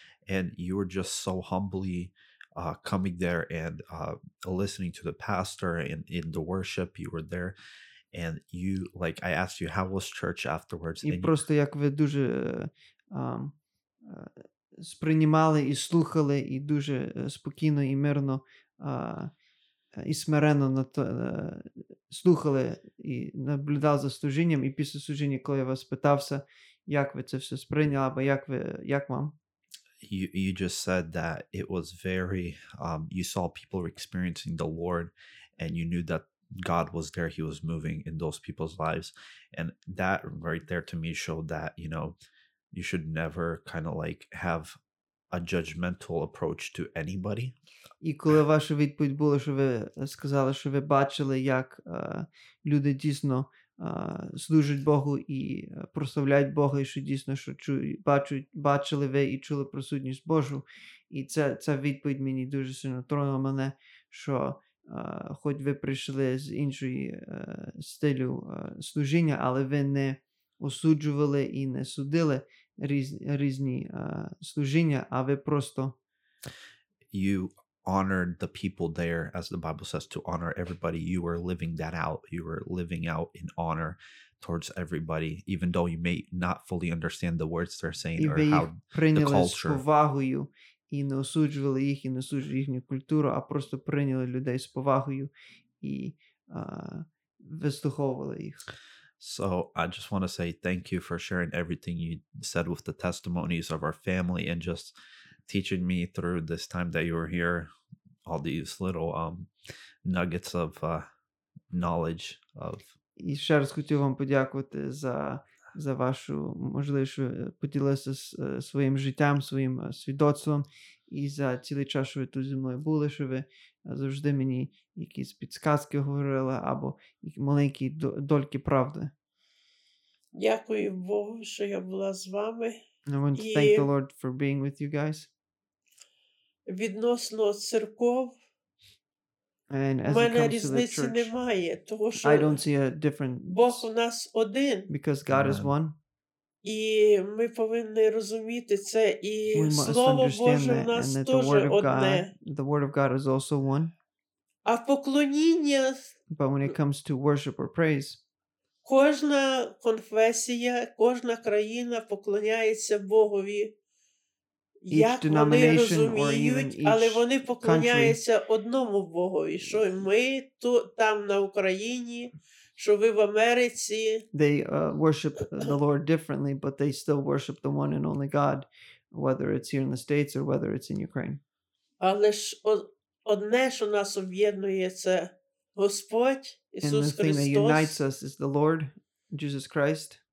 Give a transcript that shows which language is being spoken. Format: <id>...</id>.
<en>And you were just so humbly coming there and listening to the pastor and in the worship, you were there. And you, like, I asked you, how was church afterwards?</en> <uk>І просто як ви дуже... сприймали і слухали, і дуже спокійно і мирно і смиренно на то, слухали і наблюдали за служінням, і після служіння, коли я вас питався, як ви це все сприйняли, або як ви, як вам?</uk> <en>You just said that it was very you saw people experiencing the Lord, and you knew that God was there, he was moving in those people's lives, and that right there to me showed that, you know, you should never kind of like have a judgmental approach to anybody.</en> <uk>І коли ваша відповідь була, що ви сказали, що ви бачили, як люди дійсно служать Богу і прославляють Бога, і що дійсно, що бачили ви і чули присутність Божу. І ця відповідь мені дуже сильно тронула мене, що хоч ви прийшли з іншої стилю служіння, але ви не осуджували і не судили різні служіння, а ви просто...</uk> <en>You honored the people there, as the Bible says, to honor everybody. You were living that out. You were living out in honor towards everybody, even though you may not fully understand the words they're saying or how the culture...</en> <uk>І ви їх прийняли з повагою і не осуджували їх, і не осуджували їхню культуру, а просто прийняли людей з повагою і вислуховували їх.</uk> <en>So I just want to say thank you for sharing everything you said with the testimonies of our family, and just teaching me through this time that you were here, all these little nuggets of knowledge of.</en> <uk>І ще раз хотів вам подякувати за вашу можливість, що поділилися своїм життям, своїм свідоцтвом, і за цілий час, що ви тут зі мною були, що ви завжди мені якісь підсказки говорили або маленькі дольки правди. Дякую Богу, що я була з вами.</uk> <en>I want to thank the Lord for being with you guys.</en> <uk>Відносно церков,</uk> <en>and as</en> <uk>в мене різниці немає, тому що</uk> <en>I don't see a difference.</en> <uk>Бог у нас один.</uk> <en>Because God is one.</en> <uk>І ми повинні розуміти це, і Слово Боже в нас теж одне.</uk> <en>The word of God is also one.</en> <uk>А поклоніння...</uk> <en>But when it comes to worship or praise...</en> <uk>Кожна конфесія, кожна країна поклоняється Богові, як вони розуміють, але вони поклоняються одному Богові, що ми тут, там на Україні... Що ви в Америці?</uk> <en>They worship the Lord differently, but they still worship the one and only God, whether it's here in the States or whether it's in Ukraine.</en> <uk>Але ж одне, що нас об'єднує, це Господь Ісус Христос.</uk> <en>And the thing that unites us is the Lord, Jesus Christ.</en>